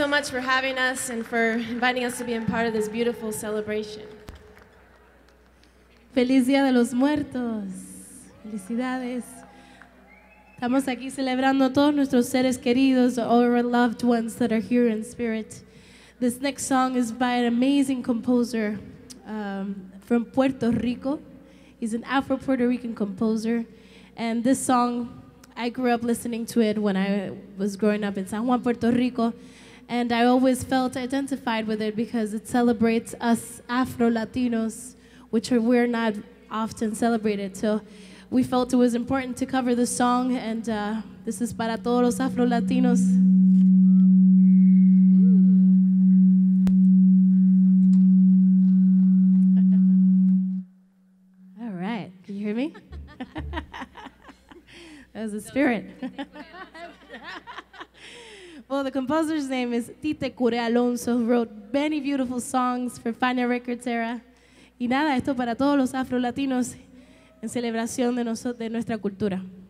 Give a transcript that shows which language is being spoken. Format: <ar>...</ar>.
<en>For having us and for inviting us to be a part of this beautiful celebration.</en> <es>Feliz Día de los Muertos. Felicidades. Estamos aquí celebrando todos nuestros seres queridos,</es> <en>all our loved ones that are here in spirit. This next song is by an amazing composer from Puerto Rico. He's an Afro-Puerto Rican composer. And this song, I grew up listening to it when I was growing up in San Juan, Puerto Rico. And I always felt identified with it because it celebrates us Afro-Latinos, which we're not often celebrated. So we felt it was important to cover the song, and this is</en> <es>para todos los Afro-Latinos.</es> <en>All right, can you hear me? That was a spirit. Well, the composer's name is Tite Cure Alonso, who wrote many beautiful songs for Fania Records era.</en> <es>Y nada, esto para todos los afro-latinos en celebración de de nuestra cultura.</es>